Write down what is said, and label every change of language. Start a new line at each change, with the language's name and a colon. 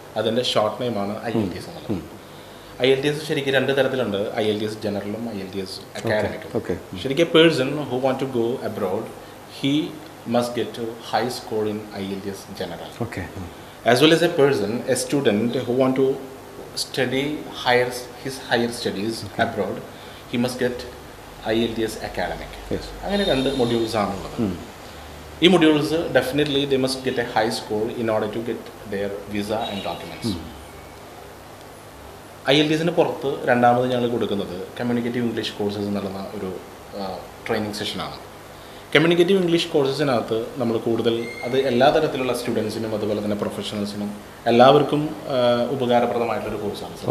Malayalam: അതിൻ്റെ short നെയിമാണ് IELTS. IELTS ശരിക്കും രണ്ട് തരത്തിലുണ്ട്, IELTS ജനറലും IELTS അക്കാദമിക്കും.
English: ശരിക്കും person who want to go abroad he must get to high score in IELTS general. Okay. As well as a person, a student who want to study higher, his higher studies okay. abroad, he must get IELTS academic. Yes.
Malayalam: അങ്ങനെ രണ്ട് modules ആണുള്ളത്.
English: ഈ modules definitely they must get a high score in order to get their visa and documents.
Malayalam: IELTSന് പുറത്ത് രണ്ടാമത് ഞങ്ങൾ കൊടുക്കുന്നത് communicative English courses നൽകുന്ന ഒരു ട്രെയിനിങ് സെഷനാണ്. കമ്മ്യൂണിക്കേറ്റീവ് ഇംഗ്ലീഷ് കോഴ്സസിനകത്ത് നമ്മൾ കൂടുതൽ അത് എല്ലാ തരത്തിലുള്ള സ്റ്റുഡൻസിനും അതുപോലെ തന്നെ പ്രൊഫഷണൽസിനും എല്ലാവർക്കും ഉപകാരപ്രദമായിട്ടൊരു കോഴ്സാണ് സാർ.